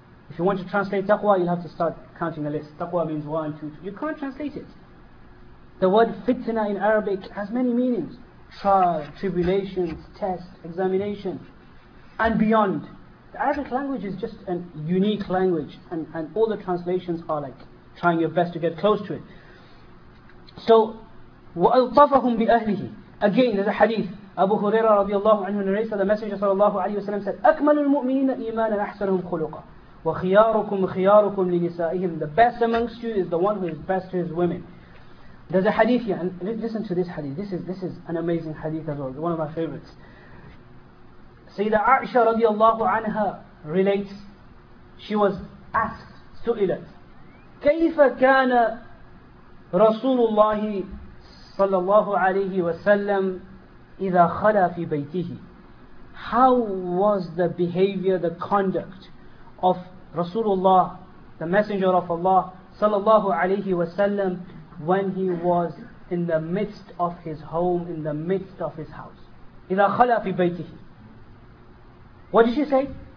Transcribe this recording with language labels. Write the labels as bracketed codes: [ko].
[en] If you want to translate taqwa, you'll have to start counting the list. Taqwa means 1, 2, 3. You can't translate it. The word fitna in Arabic has many meanings. Trial, tribulations, test, examination, and beyond. The Arabic language is just a unique language, and all the translations are like trying your best to get close to it. [ar] So, وَأَلْطَفَهُمْ بِأَهْلِهِ. [en] Again, there's a hadith. Abu Huraira radiallahu anhu narrates that the Messenger sallallahu alayhi wa sallam said, [ar] أَكْمَلُ الْمُؤْمِنِينَ إِيمَانًا أَحْسَنُهُمْ خُلُقًا وَخِيَارُكُمْ خِيَارُكُمْ لِنِسَائِهِمْ. [en] The best amongst you is the one who is best to his women. There's a hadith here, and listen to this hadith. This is an amazing hadith as well. It's one of my favorites. Sayyida Aisha radiallahu anha relates, she was asked, [ar] سُئِلَتْ كَيْفَ كَانَ رَسُولُ اللَّهِ صَلَّى اللَّهُ عَلَيْهِ إِذَا خَلَى فِي بَيْتِهِ. [en] How was the behavior, the conduct of Rasulullah, the Messenger of Allah sallallahu alayhi wa sallam, when he was in the midst of his home, in the midst of his house? [ar] إِذَا خَلَى فِي بَيْتِهِ. [en] What did she say?